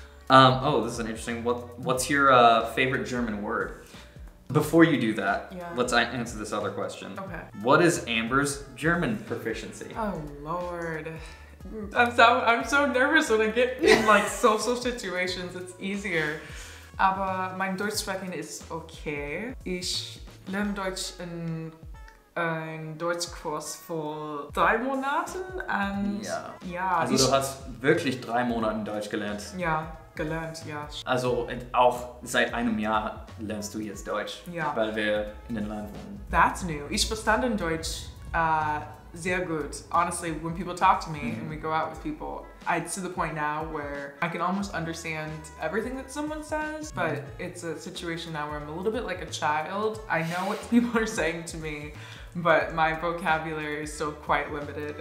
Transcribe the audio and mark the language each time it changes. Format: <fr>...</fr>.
<en>Oh, this is an interesting, what's your favorite German word? Before you do that, let's answer this other question. Okay. What is Amber's German proficiency? Oh Lord. I'm so nervous when I get in like social situations, it's easier.</en> <de>Aber mein Deutsch sprechen ist okay. Ich lerne Deutsch in ein Deutschkurs vor 3 Monaten und ja. Also du hast wirklich 3 Monate Deutsch gelernt. Ja. Gelernt, ja. Also auch seit einem Jahr lernst du jetzt Deutsch, weil wir in den Land wohnen.</de> <en>That's new.</en> <de>Ich verstand in Deutsch sehr gut.</de> <en>Honestly, when people talk to me and we go out with people, it's to the point now where I can almost understand everything that someone says, but it's a situation now where I'm a little bit like a child. I know what people are saying to me, but my vocabulary is still quite limited.</en>